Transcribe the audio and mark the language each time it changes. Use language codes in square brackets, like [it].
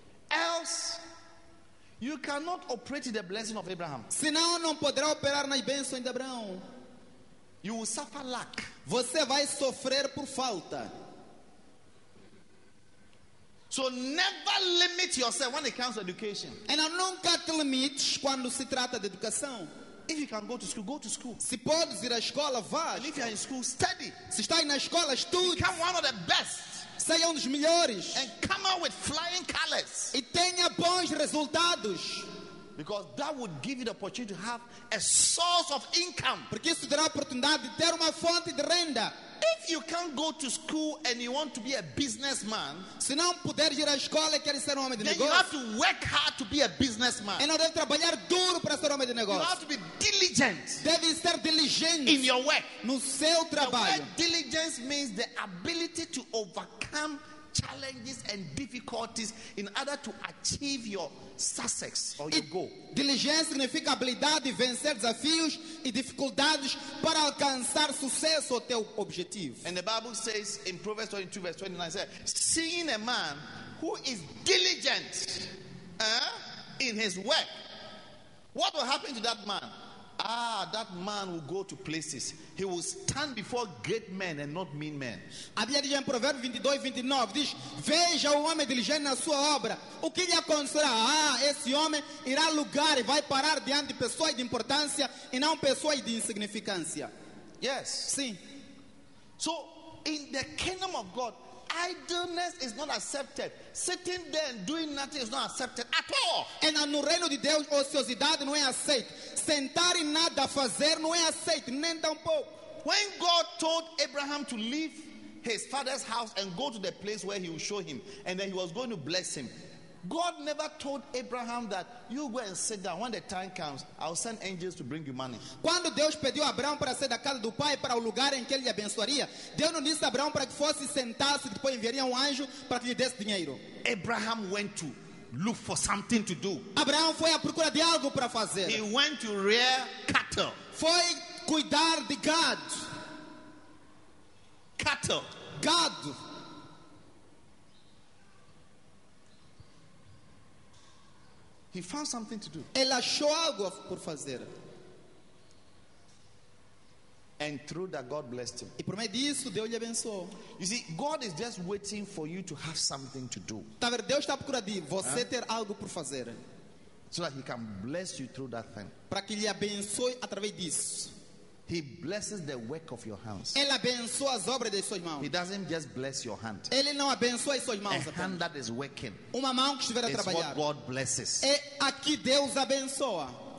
[en] Else, you cannot operate in the blessing of Abraham. [pt] Senão não poderá operar nas bênçãos de Abraão. [en] You will suffer lack. [pt] Você vai sofrer por falta. [en] So never limit yourself when it comes to education. And [pt] nunca te limites quando se trata de educação. [en] If you can go to school, go to school. [pt] Se podes ir à escola, vá. [en] And if you are in school, study. [pt] Se está na escola, estude. [en] Become one of the best. [pt] Seja dos melhores. [en] And come out with flying colors. [pt] E tenha bons resultados. [en] Because that would give you the opportunity to have a source of income. [pt] Porque isso terá a oportunidade de ter uma fonte de renda. [en] If you can't go to school and you want to be a businessman, [pt] se não puder ir à escola e quer ser homem de negócio, [en] then you have to work hard to be a businessman. [pt] E não deve trabalhar duro para ser homem de negócio. [en] You have to be diligent. [pt] Deve ser diligente [en] in your work. [pt] No seu trabalho. [en] The word diligence means the ability to overcome challenges and difficulties in order to achieve your success or your goal. [pt] Diligência significa habilidade de vencer desafios e dificuldades para alcançar sucesso ou teu objetivo. [en] And the Bible says in Proverbs 22 verse 29, says, seeing a man who is diligent in his work, what will happen to that man? Ah, that man will go to places. He will stand before great men and not mean men. [pt] A Bíblia diz em Provérbios 22, 29, diz, veja o homem diligente na sua obra. O que lhe acontecerá? Ah, esse homem irá a lugar e vai parar diante de pessoas de importância e não pessoas de insignificância. [en] Yes. [pt] Sim. [en] So, in the kingdom of God, idleness is not accepted. Sitting there and doing nothing is not accepted at all. And [pt] no reino de Deus, ociosidade não é aceita. Sentar e nada fazer não é aceito, nem tampouco. [en] When God told Abraham to leave his father's house and go to the place where he will show him, and then he was going to bless him, God never told Abraham that you go and sit down. When the time comes, I'll send angels to bring you money. [pt] Quando Deus pediu a Abraão para sair da casa do pai para o lugar em que ele lhe abençoaria, Deus não disse a Abraão para que fosse sentar-se e depois enviaria anjo para que lhe desse dinheiro. [en] Abraham went to look for something to do. [pt] Abraão foi à procura de algo para fazer. [en] He went to rear cattle. [pt] Foi cuidar de gado. [en] Cattle. [pt] Gado. [en] He found something to do. [pt] Ele achou algo por fazer. [en] And through that, God blessed him. [pt] E por meio disso, Deus lhe abençoou. [en] You see, God is just waiting for you to have something to do. [pt] Tá vendo? Deus está procurando você ter algo por fazer. [en] So that he can bless you through that thing. [pt] Para que lhe abençoe através disso. [en] He blesses the work of your hands. [pt] Ele abençoa as obras das suas mãos. [en] He doesn't just bless your hand. [pt] Ele não abençoa as suas mãos. [en] A hand that is working. [pt] Uma mão que estiver a trabalhar. [en] What God blesses. [pt] É aqui Deus abençoa.